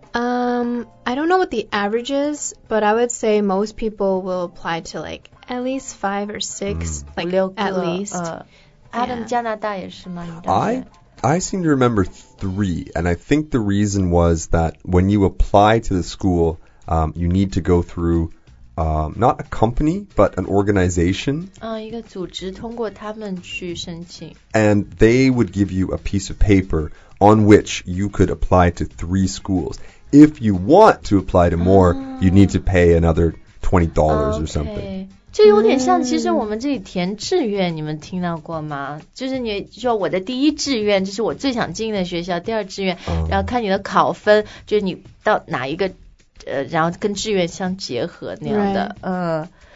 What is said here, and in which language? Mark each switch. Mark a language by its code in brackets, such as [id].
[en] I don't know what the average is, but I would say most people will apply to like at least 5 or 6,、mm. like [zh] 六个 [en] at least.、 Adam,、 yeah. [zh] 加拿大也是吗 [en] I seem to remember 3, and I think the reason was that when you apply to the school... you need to go through not a company, but an organization. [zh] 一个组织通过他们去申请。 [en] And they would give you a piece of paper on which you could apply to 3 schools. If you want to apply to more,、you need to pay another $20 okay, or something. [zh] 这有点像其实我们这里填志愿、你们听到过吗？就是你说我的第一志愿就是我最想进的学校，第二志愿、然后看你的考分，就是你到哪一个然后跟志愿相结合那样的、 [en] right.